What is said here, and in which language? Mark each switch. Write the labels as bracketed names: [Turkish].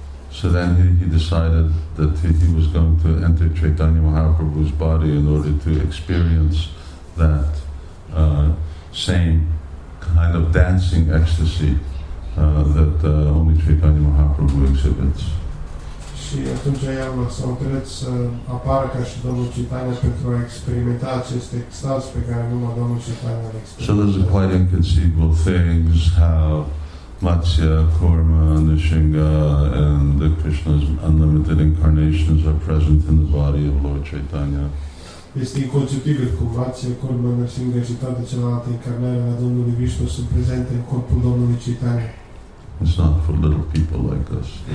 [English] So then he decided that he was going to enter Chaitanya Mahaprabhu's body in order to experience that same kind of dancing ecstasy that only Chaitanya Mahaprabhu exhibits. [Romanian] Și atunci ea s-a hotărât să apară ca și Domnul Chaitanya pentru a experimenta acest extaz pe care numai Domnul Chaitanya îl experimentează. [English] So those are quite inconceivable things, how Matsya, Korma, Nishinga, and the Krishna's unlimited incarnations are present in the body of Lord Chaitanya. [Romanian] Este inconceptibil cum Matsya, Korma, Nishinga și toate celelalte incarnări ale Domnului Vishnu sunt prezente în corpul Domnului Chaitanya. [English] It's not for little people like us.